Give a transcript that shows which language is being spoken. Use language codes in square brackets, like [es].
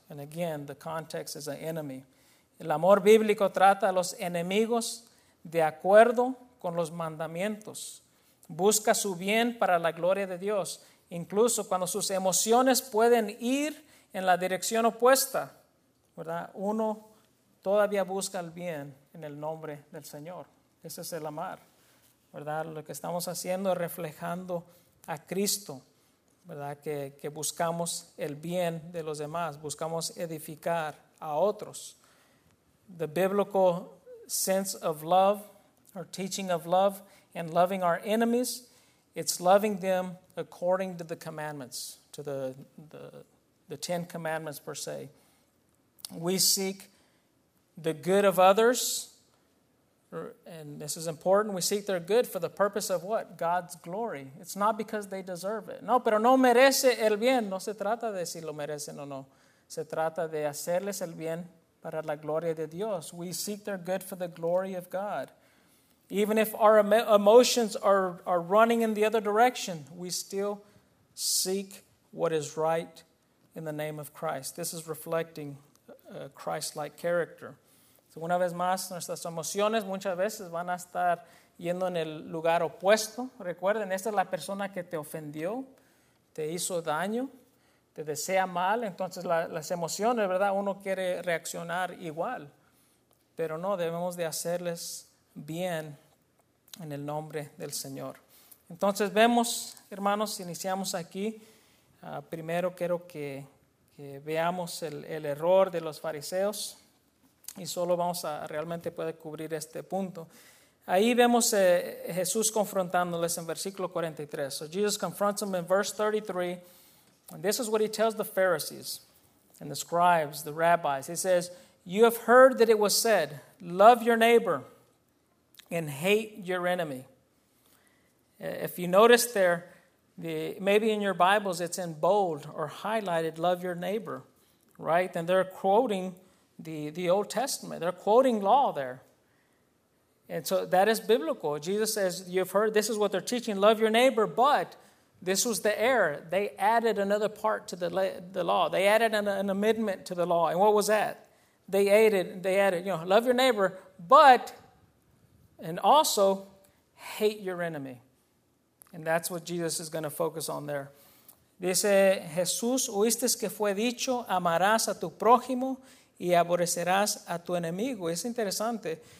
[en] And again, the context is an enemy. [es] El amor bíblico trata a los enemigos de acuerdo con los mandamientos. Busca su bien para la gloria de Dios. Incluso cuando sus emociones pueden ir en la dirección opuesta, ¿verdad? Uno todavía busca el bien en el nombre del Señor. Ese es el amar, ¿verdad? Lo que estamos haciendo es reflejando a Cristo, ¿verdad? Que buscamos el bien de los demás, buscamos edificar a otros. [en] The biblical sense of love, or teaching of love, and loving our enemies, it's loving them according to the commandments, to the Ten Commandments per se. We seek the good of others, and this is important, we seek their good for the purpose of what? God's glory. It's not because they deserve it. [es] No, pero no merece el bien. No se trata de si lo merecen o no. Se trata de hacerles el bien para la gloria de Dios. [en] We seek their good for the glory of God. Even if our emotions are running in the other direction, we still seek what is right in the name of Christ. This is reflecting a Christ-like character. [es] So una vez más, nuestras emociones muchas veces van a estar yendo en el lugar opuesto. Recuerden, esta es la persona que te ofendió, te hizo daño, te desea mal. Entonces las emociones, ¿verdad? Uno quiere reaccionar igual. Pero no, debemos de hacerles bien en el nombre del Señor. Entonces vemos, hermanos, iniciamos aquí. Primero quiero que veamos el error de los fariseos, y solo vamos a realmente poder cubrir este punto. Ahí vemos Jesús confrontándoles en versículo 43. [en] So Jesus confronts them in verse 33, and this is what he tells the Pharisees and the scribes, the rabbis. He says, "You have heard that it was said, 'Love your neighbor and hate your enemy.'" If you notice there, maybe in your Bibles it's in bold or highlighted, "Love your neighbor," right? And they're quoting the Old Testament. They're quoting law there. And so that is biblical. Jesus says, you've heard, this is what they're teaching, love your neighbor, but this was the error. They added another part to the law. They added an amendment to the law. And what was that? They added, you know, love your neighbor, but... And also, hate your enemy. And that's what Jesus is going to focus on there. [es] Dice, Jesús, oíste que fue dicho, amarás a tu prójimo y aborrecerás a tu enemigo. Es interesante.